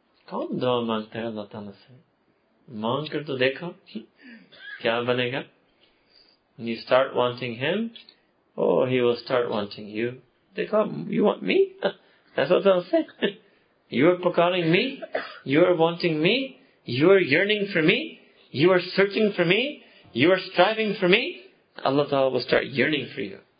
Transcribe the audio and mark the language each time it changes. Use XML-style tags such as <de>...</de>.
<ur>کون دعا مانگتا ہے اللہ تعالیٰ سے؟ مانگ کر تو دیکھو کیا بنے گا.</ur> <en>You start wanting him اور he will start wanting you.</en> <ur>دیکھو</ur> <en>you want me,</en> <ur>ایسا ہوتا ہے اس سے.</ur> <en>You are پکارنگ me, you are wanting me, you are yearning for me, you are searching for me, you are striving for me. اللہ تعالیٰ will start yearning for you.</en>